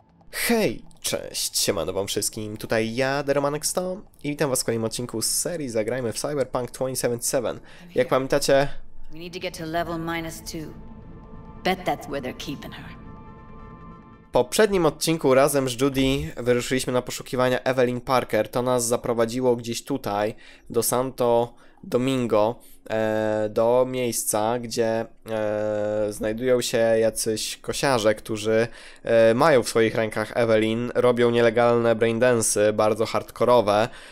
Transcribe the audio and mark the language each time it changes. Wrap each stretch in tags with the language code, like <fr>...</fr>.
<pl>Hej, cześć, siemano wam wszystkim, tutaj ja, Deromanek 100 i witam was w kolejnym odcinku z serii Zagrajmy w Cyberpunk 2077. Jak pamiętacie...</pl> <en>We need to get to level minus 2. Bet that's where they're keeping her.</en> <pl>W poprzednim odcinku razem z Judy wyruszyliśmy na poszukiwania Evelyn Parker. To nas zaprowadziło gdzieś tutaj, do Santo Domingo, do miejsca, gdzie znajdują się jacyś kosiarze, którzy mają w swoich rękach Evelyn, robią nielegalne braindance'y, bardzo hardkorowe.</pl>